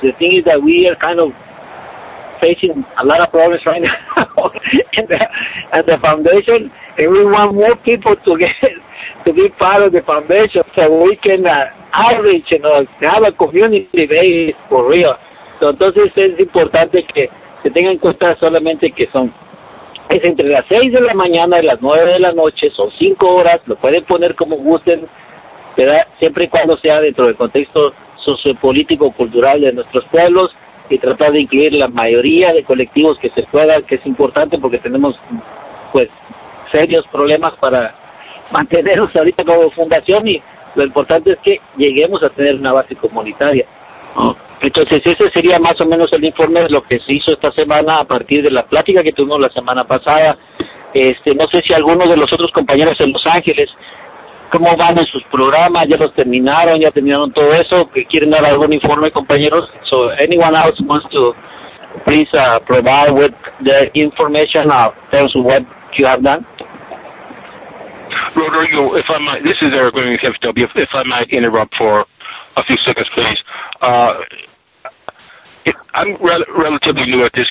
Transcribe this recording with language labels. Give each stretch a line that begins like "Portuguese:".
English: The thing is that we are kind of facing a lot of problems right now at the foundation, and we want more people to get to be part of the foundation so we can outreach, you know, have a community base for real.
Spanish: So, entonces es importante que se tenga en cuenta solamente que son, es entre las 6 de la mañana y las 9 de la noche, son 5 horas, lo pueden poner como gusten, ¿verdad? Siempre y cuando sea dentro del contexto sociopolítico cultural de nuestros pueblos y tratar de incluir la mayoría de colectivos que se pueda, que es importante porque tenemos, pues, serios problemas para mantenernos ahorita como fundación y lo importante es que lleguemos a tener una base comunitaria, ¿no? Entonces ese sería más o menos el informe de lo que se hizo esta semana a partir de la plática que tuvimos la semana pasada. No sé si alguno de los otros compañeros en Los Ángeles, ¿cómo van en sus programas? ¿Ya los terminaron? ¿Ya terminaron todo eso? ¿Quieren dar algún informe, compañeros?
English: So anyone else wants to please provide with the information in terms of what you have done? Rodrigo, if I might, this is Eric Williams, FW. If I might interrupt for a few seconds, please. I'm relatively new at this.